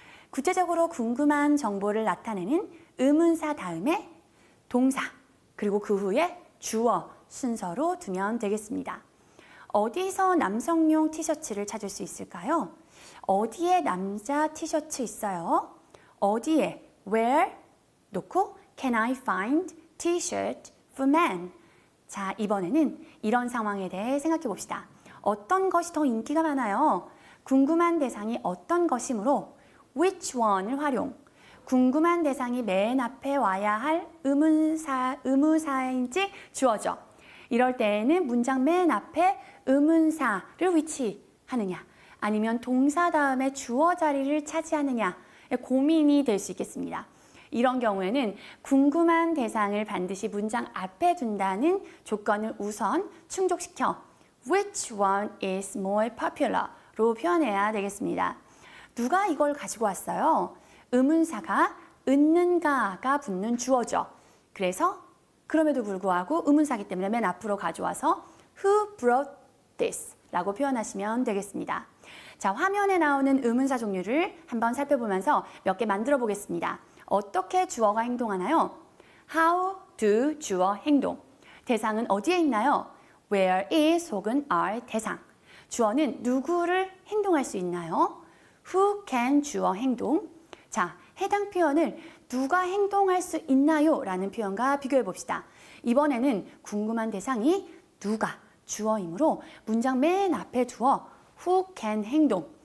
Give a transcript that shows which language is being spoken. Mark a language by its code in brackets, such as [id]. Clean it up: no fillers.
[ko] 구체적으로 궁금한 정보를 나타내는 음운사 다음에 동사 그리고 그 후에 주어 순서로 두면 되겠습니다. 어디서 남성용 티셔츠를 찾을 수 있을까요? 어디에 남자 티셔츠 있어요? 어디에 where 놓고 [en] can I find t-shirt for men? [ko] 자, 이번에는 이런 상황에 대해 생각해 봅시다. 어떤 것이 더 인기가 많아요? 궁금한 대상이 어떤 것이므로 which one을 활용. 궁금한 대상이 맨 앞에 와야 할 의문사인지 주어져. 이럴 때에는 문장 맨 앞에 의문사를 위치하느냐 아니면 동사 다음에 주어 자리를 차지하느냐의 고민이 될 수 있겠습니다. 이런 경우에는 궁금한 대상을 반드시 문장 앞에 둔다는 조건을 우선 충족시켜 [en] Which one is more popular? [ko] 로 표현해야 되겠습니다. 누가 이걸 가지고 왔어요? 의문사가 은는가가 붙는 주어죠. 그래서 그럼에도 불구하고 의문사기 때문에 맨 앞으로 가져와서 [en] Who brought this? [ko] 라고 표현하시면 되겠습니다. 자, 화면에 나오는 의문사 종류를 한번 살펴보면서 몇 개 만들어 보겠습니다. 어떻게 주어가 행동하나요? [en] How do [ko] 주어 행동? 대상은 어디에 있나요? [en] Where is 혹은 are 대상? [ko] 주어는 누구를 행동할 수 있나요? [en] Who can [ko] 주어 행동? 자, 해당 표현을 누가 행동할 수 있나요? 라는 표현과 비교해 봅시다. 이번에는 궁금한 대상이 누가 주어이므로 문장 맨 앞에 두어 [en] Who can [ko] 행동?